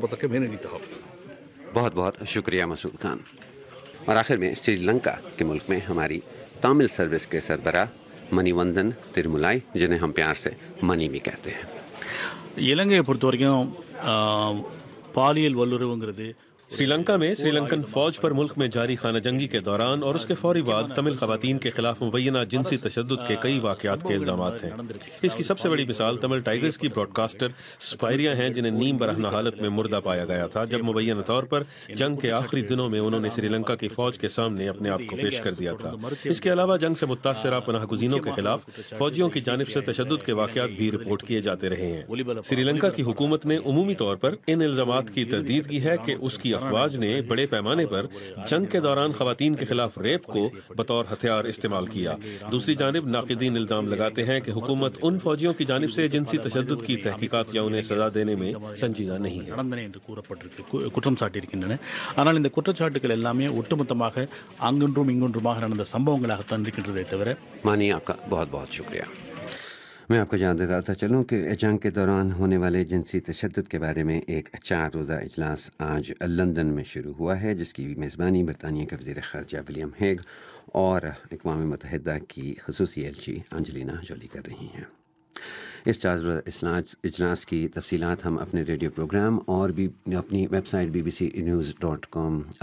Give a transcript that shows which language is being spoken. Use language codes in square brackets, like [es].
[ur] بہت بہت شکریہ مسعود خان۔ اور آخر میں سری لنکا کے ملک میں ہماری تامل سروس کے سربراہ منی وندن ترملائی، جنہیں ہم پیار سے منی بھی کہتے ہیں۔ [ta] இலங்கையை பொறுத்தவரைக்கும் பாலியல் வல்லுறவுங்கிறது [ur] سری لنکا میں سری لنکن فوج پر ملک میں جاری خانہ جنگی کے دوران اور اس کے فوری بعد تمل خواتین کے خلاف مبینہ جنسی تشدد کے کئی واقعات کے الزامات ہیں۔ اس کی سب سے بڑی مثال تمل ٹائیگرز کی براڈکاسٹر سپائریا ہیں، جنہیں نیم برہنہ حالت میں مردہ پایا گیا تھا جب مبینہ طور پر جنگ کے آخری دنوں میں انہوں نے سری لنکا کی فوج کے سامنے اپنے آپ کو پیش کر دیا تھا۔ اس کے علاوہ جنگ سے متاثرہ پناہ گزینوں کے خلاف فوجیوں کی جانب سے تشدد کے واقعات بھی رپورٹ کیے جاتے رہے ہیں۔ سری لنکا کی حکومت نے عمومی طور پر ان الزامات کی تردید کی ہے کہ اس کی افواج نے بڑے پیمانے پر جنگ کے دوران خواتین کے خلاف ریپ کو بطور ہتھیار استعمال کیا۔ دوسری جانب ناقدین الزام لگاتے ہیں کہ حکومت ان فوجیوں کی جانب سے جنسی تشدد کی تحقیقات یا انہیں سزا دینے میں سنجیدہ نہیں ہے۔ [ta] குற்றம் சாட்டி இருக்கின்றன ஆனால் இந்த குற்றச்சாட்டுகள் எல்லாமே ஒட்டுமொத்தமாக அங்கன்றும் இங்கன்றுமாக நடந்த சம்பவங்களாக தான் இருக்கின்றதே தவிர۔ [ur] மணி அக்கா بہت بہت شکریہ۔ میں آپ کو جان دیتا چلوں کہ جنگ کے دوران ہونے والے جنسی تشدد کے بارے میں ایک 4 روزہ اجلاس آج لندن میں شروع ہوا ہے، جس کی میزبانی برطانیہ کے وزیر خارجہ ولیم ہیگ اور اقوام متحدہ کی خصوصی ایلچی انجلینا جولی کر رہی ہیں۔ اس 4 روزہ اجلاس کی تفصیلات ہم اپنے ریڈیو پروگرام اور بھی اپنی ویب سائٹ bbcnews.com